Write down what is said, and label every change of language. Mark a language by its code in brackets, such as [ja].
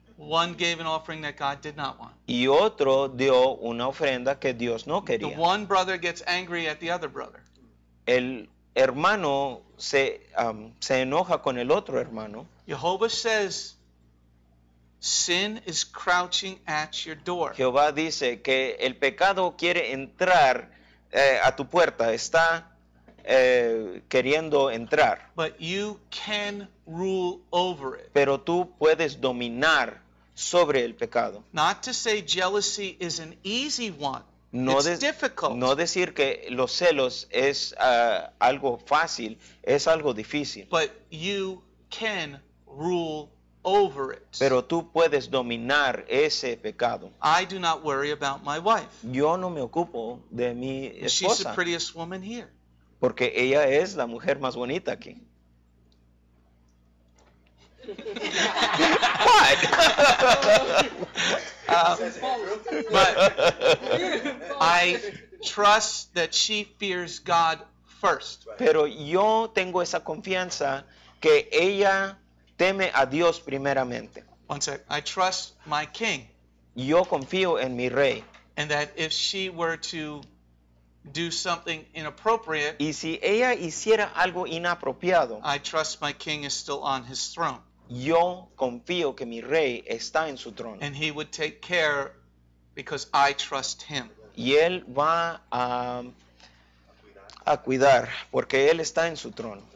[en] One gave an offering that God did not want. [es] Y otro dio una ofrenda que Dios no quería. [en] The one brother gets angry at the other brother. [es] El hermano se enoja con el otro hermano. [en] Jehovah says, sin is crouching at your door. [es] Jehová dice que el pecado quiere entrar a tu puerta, está queriendo entrar. [en] But you can rule over it. [es] Pero tú puedes dominar sobre el pecado. [en] Not to say jealousy is an easy one. It's difficult. [es] No decir que los celos es algo fácil, es algo difícil. [en] But you can rule over it. [es] Pero tú puedes dominar ese pecado. [en] I do not worry about my wife. [es] Yo no me ocupo de mi esposa. [en] She's the prettiest woman here. [es] Porque ella es la mujer más bonita aquí. [en] What? But I trust that she fears God first. [es] Pero yo tengo esa confianza que ella teme a Dios primeramente. [en] One sec. I trust my king. [es] Yo confío en mi rey. [en] And that if she were to do something inappropriate, [es] y si ella hiciera algo inapropiado, [en] I trust my king is still on his throne. [es] Yo confío que mi rey está en su trono. [en] And he would take care because I trust him. [es] Y él va a cuidar porque él está en su trono.